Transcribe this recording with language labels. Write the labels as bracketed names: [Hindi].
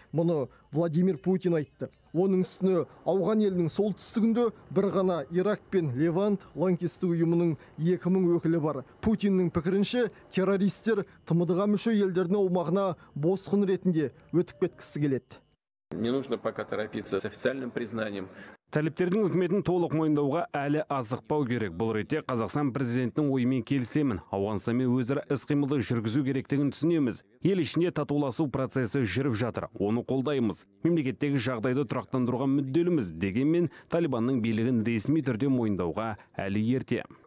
[Kazakh] Мұны Владимир Путин айтты. Оның үстіне Ауған елінің солтүстігінде бір ғана Ирак пен Левант лаңкестік ұйымының 2000 өкілі бар. Путиннің пікірінше, террористер ТМД-ға мүше елдердің аумағына босқын ретінде өтіп кеткісі келеді. [Russian] Не нужно пока торопиться с официальным признанием. [Kazakh] Тәліптердің үкіметін толық мойындауға әлі асықпау керек. Бұл ретте Қазақстан президентінің ойымен келісемін. Ауғанстанмен өзара іс-қимылды жүргізу керектігін түсінеміз. Ел ішінде татуласу процесі жүріп жатыр. Оны қолдаймыз. Мемлекеттегі жағдайды тұрақтандыруға мүдделіміз. Дегенмен Талибанның билігін ресми түрде мойындауға әлі ерте.